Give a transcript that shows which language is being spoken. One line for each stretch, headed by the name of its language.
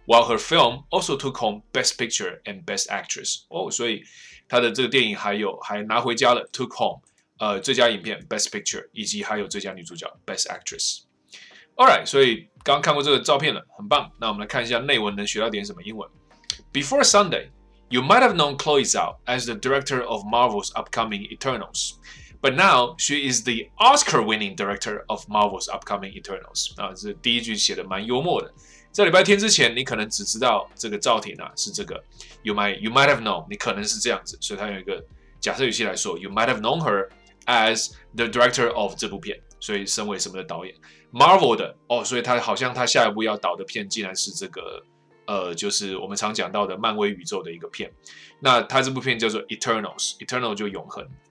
English: While her film also took home Best Picture and Best Actress，
Chinese: 所以她的这个电影还拿回家了
English: ，took home。
Chinese: 最佳影片 Best Picture， 以及还有最佳女主角 Best Actress。 Alright， 所以刚看过这个照片了，很棒。那我们来看一下内文能学到点什么英文。
English: Before Sunday, you might have known Chloe Zhao as the director of Marvel's upcoming Eternals, but now she is the Oscar-winning director of Marvel's upcoming Eternals。
Chinese: 啊，这第一句写的蛮幽默的。在礼拜天之前，你可能只知道这个赵婷啊是这个 ，
English: you might have known，
Chinese: 你可能是这样子，所以它有一个。假设语气来说 ，
English: You might have known her as the director of
Chinese: 这部片，所以身为什么的导演 ，Marvel 的哦，所以他好像他下一部要导的片竟然是这个，就是我们常讲到的漫威宇宙的一个片。那他这部片叫做 Eternals， Eternal 就永恒。